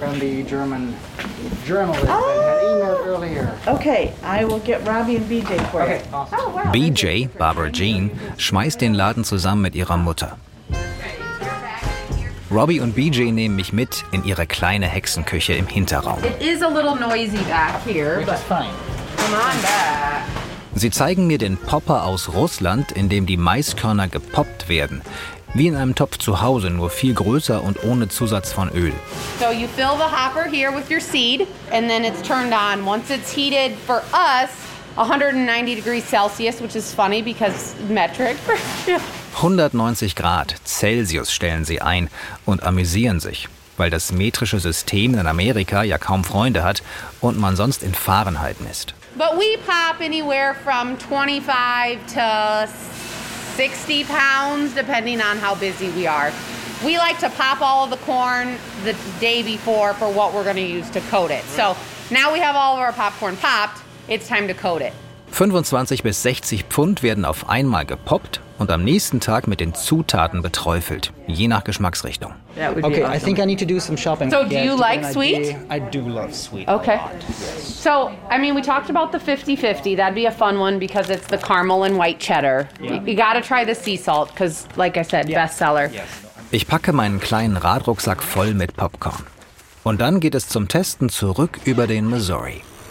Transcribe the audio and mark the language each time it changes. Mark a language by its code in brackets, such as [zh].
[en] I'm the German journalist. Oh. I had emailed earlier. Okay, I will get Robbie and BJ for you. Awesome. Oh, wow. [de] BJ, Barbara Jean, schmeißt den Laden zusammen mit ihrer Mutter. Robbie und BJ nehmen mich mit in ihre kleine Hexenküche im Hinterraum. [en] It is a little noisy back here, but come on back. [de] Sie zeigen mir den Popper aus Russland, in dem die Maiskörner gepoppt werden. Wie in einem Topf zu Hause, nur viel größer und ohne Zusatz von Öl. [en] So you fill the hopper here with your seed and then it's turned on. Once it's heated for us, 190 degrees Celsius, which is funny because metric. [de] 190 Grad Celsius stellen sie ein und amüsieren sich, weil das metrische System in Amerika ja kaum Freunde hat und man sonst in Fahrenheit misst. [en] But we pop anywhere from 25 to 60 pounds, depending on how busy we are. We like to pop all of the corn the day before for what we're going to use to coat it. So now we have all of our popcorn popped, it's time to coat it. [de] 25 bis 60 Pfund werden auf einmal gepoppt und am nächsten Tag mit den Zutaten beträufelt, je nach Geschmacksrichtung. [en] Okay, I think I need to do some shopping. So do you like sweet? I do love sweet. Okay. So, I mean, we talked about the 50-50. That'd be a fun one because it's the caramel and white cheddar. You gotta try the sea salt, because, like I said, bestseller. [de] Ich packe meinen kleinen Radrucksack voll mit Popcorn. Und dann geht es zum Testen zurück über den Missouri.